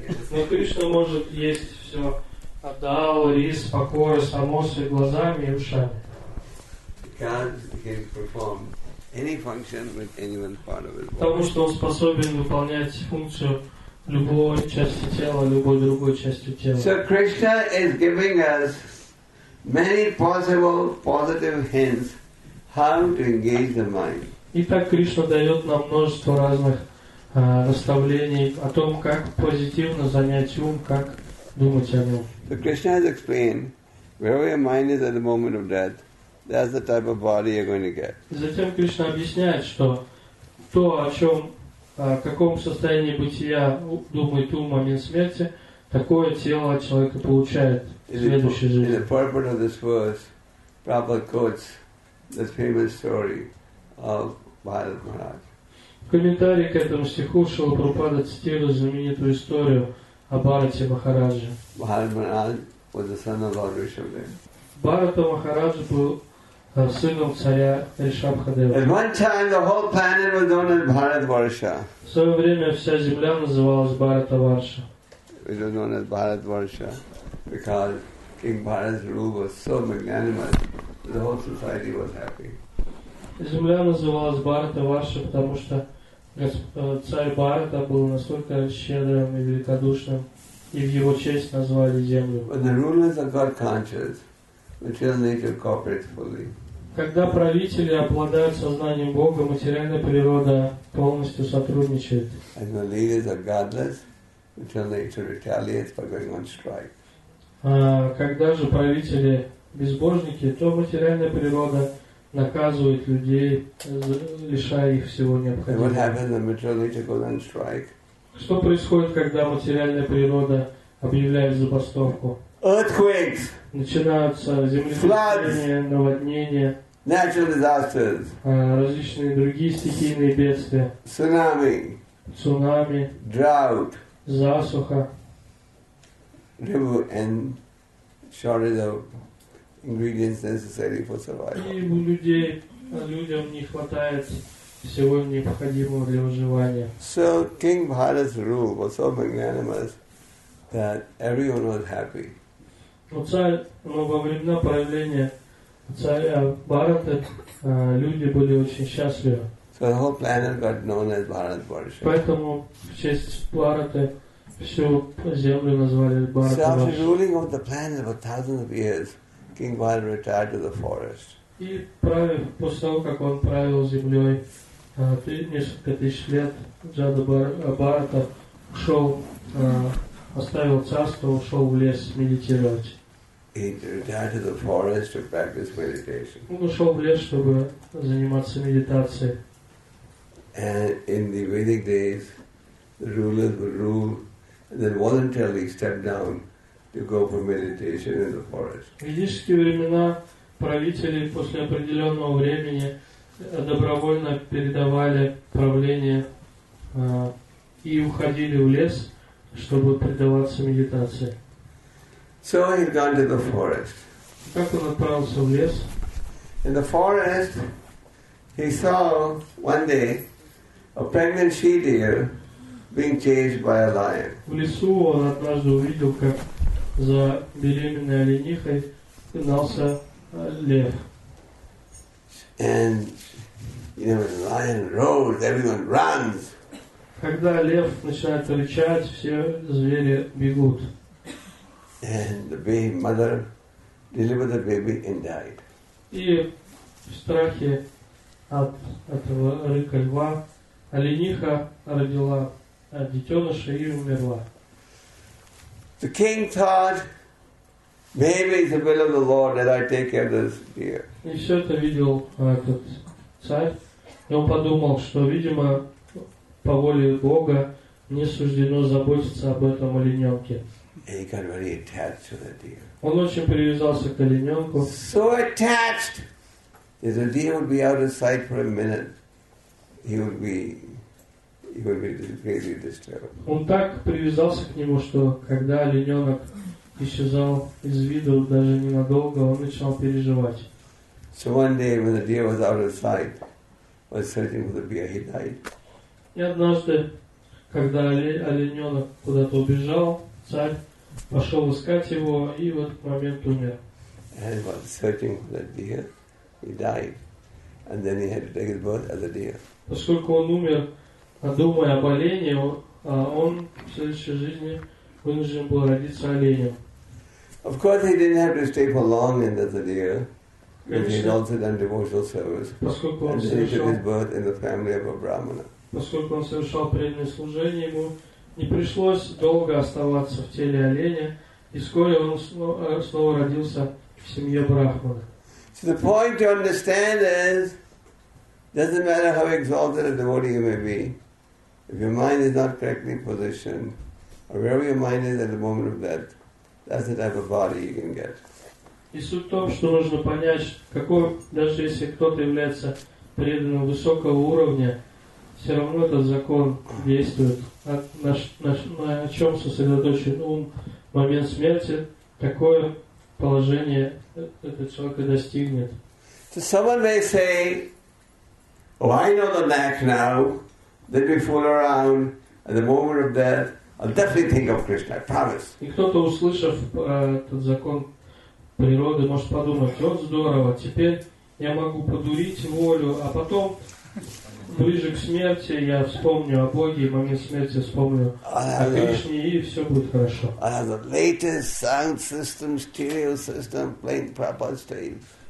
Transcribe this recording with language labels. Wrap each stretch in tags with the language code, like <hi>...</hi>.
<ru>Но Кришна может есть все дал, рис, покоя, самосы, глазами и ушами. Потому что он способен выполнять функцию любой части тела, любой другой части тела.</ru> <en>So Krishna is giving us many possible positive hints how to engage the mind.</en> <ru>Итак, Кришна дает нам множество разных наставлений о том, как позитивно занять ум, как думать о нем.</ru> <en>So Krishna has explained wherever your mind is at the moment of death, that's the type of body you're going to get.</en> <ru>Затем Кришна объясняет, что то, о чем в каком состоянии бытия думает ум в момент смерти, такое тело человека получает в следующей жизни.</ru> <en>In the purport of this verse, Prabhupada quotes the famous story of Bharat Maharaj.</en> <ru>В комментарии к этому стиху Шрила Прабхупада цитирует знаменитую историю о Бхарате Махарадже.</ru> <en>Bharat Maharaj was the son of Lord Rishabhadev.</en> <ru>Bharata Maharaj был сыном царя Ришабхадева.</ru> <en>At one time the whole planet was known as Bharatvarsha.</en> <ru>В свое время вся земля называлась Bharatvarsha.</ru> <en>It was known as Bharatvarsha because King Bharat's rule was so magnanimous, the whole society was happy.</en> <ru>Земля называлась Bharatvarsha, потому что царь Бхарата был настолько щедрым и великодушным, и в его честь назвали землю.</ru> <en>But the rulers are God conscious. Material nature cooperates fully.</en> <ru>Когда правители обладают сознанием Бога, материальная природа полностью сотрудничает.</ru> <en>And the leaders are godless until they to retaliate by going on strike.</en> <ru>Когда же правители безбожники, то материальная природа наказывает людей, лишая их всего необходимого.</ru> <en>And what happens when material leaders go on strike?</en> <ru>Что происходит, когда материальная природа объявляет забастовку?</ru> <en>Earthquakes.</en> <ru>Начинаются землетрясения, наводнения.</ru> <en>Natural disasters.</en> <ru>Различные другие стихийные бедствия. Цунами. Цунами.</ru> <en>Drought.</en> <ru>Засуха.</ru> <en>River and shortage of ingredients necessary for survival.</en> <ru>И людям не хватает всего необходимого для выживания.</ru> <en>So King Bharat's rule was so magnanimous that everyone was happy.</en> <ru>Но во времена правления царя Бхараты люди были очень счастливы.</ru> <en>So the whole planet got known as Bharat Varsha.</en> <ru>Поэтому в честь Бхараты всю землю назвали Бхарат Варша.</ru> <en>So after ruling over the planet for thousands of years, King Bharat retired to the forest.</en> <ru>И правив после того, как он правил землей несколько тысяч лет, Джада Бхарата ушел, оставил царство, ушел в лес медитировать.</ru> <en>He retired to the forest to practice meditation.</en> <ru>Он ушел в лес, чтобы заниматься медитацией.</ru> <en>And in the Vedic days, the rulers would rule, and then voluntarily step down to go for meditation in the forest.</en> <ru>В ведические времена правители после определенного времени добровольно передавали правление и уходили в лес, чтобы предаваться медитации.</ru> <en>So he had gone to the forest.</en> <ru>Как он отправился в лес?</ru> <en>In the forest, he saw one day a pregnant she-deer being chased by a lion.</en> <ru>В лесу он однажды увидел, как за беременной оленихой гнался лев.</ru> <en>And you know, when the lion roars, everyone runs.</en> <ru>Когда лев начинает рычать, все звери бегут.</ru> <en>And the baby mother delivered the baby and died.</en> <ru>И в страхе от этого рыка льва олениха родила детеныша и умерла.</ru> <en>The king thought, maybe it's the will of the Lord that I take care of this deer.</en> <ru>И все это видел этот царь, и он подумал, что, видимо, по воле Бога не суждено заботиться об этом олененке.</ru> <en>And he got very attached to the deer.</en> <ru>Он очень привязался к олененку.</ru> <en>So attached that the deer would be out of sight for a minute, he would be greatly disturbed.</en> <ru>Он так привязался к нему, что когда олененок исчезал из виду даже ненадолго, он начинал переживать.</ru> <en>So one day when the deer was out of sight, was searching for the deer, he died.</en> <ru>И однажды, когда олененок куда-то убежал, царь пошел искать его, и в этот момент умер.</ru> <en>And while searching for the deer, he died. And then he had to take his birth as a deer.</en> <ru>Поскольку он умер, думая об олене, он в следующей жизни вынужден был родиться оленем.</ru> <en>Of course, he didn't have to stay for long in as a deer, because he had also done devotional service. And then he took his birth in the family of a brahmana.</en> <ru>Поскольку он совершал преданное служение ему, не пришлось долго оставаться в теле оленя, и вскоре он снова родился в семье брахмана.</ru> <en>So the point to understand is, doesn't matter how exalted a devotee you may be, if your mind is not correctly positioned, or wherever your mind is at the moment of death, that's the type of body you can get.</en> <ru>И суть в том, что нужно понять, какой, даже если кто-то является преданным высокого уровня, все равно этот закон действует. На чем сосредоточен ум в момент смерти, такое положение этот человек и достигнет.</ru> <en>So someone may say, oh, I know the knack now, let me fool around, at the moment of death, I'll definitely think of Krishna, I promise.</en> <ru>И кто-то, услышав этот закон природы, может подумать, вот здорово, теперь я могу подурить волю, а потом ближе к смерти я вспомню о Боге, и в момент смерти вспомню о Кришне, и все будет хорошо.</ru> <en>I have the latest sound system, stereo system, playing Prabhupada's tapes.</en>